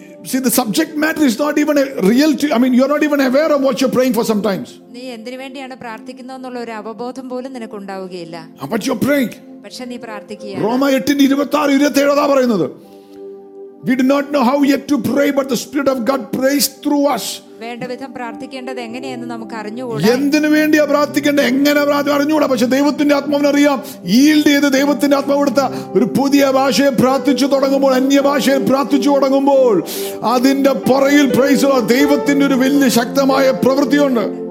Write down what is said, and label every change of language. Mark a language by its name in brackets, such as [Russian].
[English] See, the subject matter is not even a reality. I mean, you're not even aware of what you're praying for sometimes. [Malayalam] നീ എന്തിനു വേണ്ടിയാണ് പ്രാർത്ഥിക്കുന്നത് എന്നുള്ള ഒരു അവബോധം പോലും നിനക്ക് ഉണ്ടാവുകയില്ല. [English] But you're praying. [Malayalam] പക്ഷേ നീ പ്രാർത്ഥിക്കുകയാണ്. റോമ 8:26-27 ആണ് പറയുന്നത്. [English] We do not know how yet to pray, but the Spirit of God prays through us. [Malayalam] വേണ്ടവിധം പ്രാർത്ഥിക്കേണ്ടത് എങ്ങനെയെന്ന് നമുക്ക് അറിഞ്ഞുകൂടാ. എന്തിനു വേണ്ടിയാ പ്രാർത്ഥിക്കേണ്ടത്, എങ്ങനെ അറിഞ്ഞുകൂടാ? പക്ഷെ ദൈവത്തിന്റെ ആത്മാവിനറിയാം. യീൽഡ് ചെയ്ത് ദൈവത്തിന്റെ ആത്മാവ് കൊടുത്ത ഒരു പുതിയ ഭാഷയെ പ്രാർത്ഥിച്ചു തുടങ്ങുമ്പോൾ, അന്യഭാഷയിൽ പ്രാർത്ഥിച്ചു തുടങ്ങുമ്പോൾ, അതിന്റെ പുറയിൽ പ്രൈസ് ദൈവത്തിന്റെ ഒരു വലിയ ശക്തമായ പ്രവൃത്തിയുണ്ട്.